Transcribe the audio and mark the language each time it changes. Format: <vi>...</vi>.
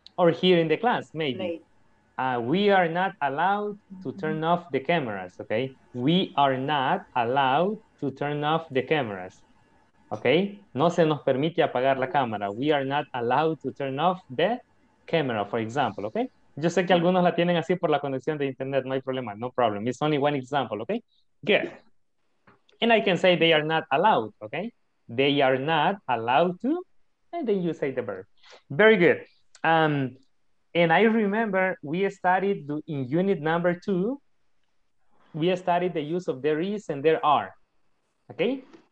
<en>Or here in the class, maybe. We are not allowed to turn off the cameras. Okay? We are not allowed to turn off the cameras. Okay?</en> <es>No se nos permite apagar la cámara.</es> <en>We are not allowed to turn off the camera, for example. Okay?</en> <es>Yo sé que algunos la tienen así por la conexión de internet. No hay problema.</es> <en>No problem. It's only one example. Okay? Good. And I can say they are not allowed, okay? They are not allowed to, and then you say the verb. Very good. And I remember we studied in unit number 2, we studied the use of there is and there are, okay?</en>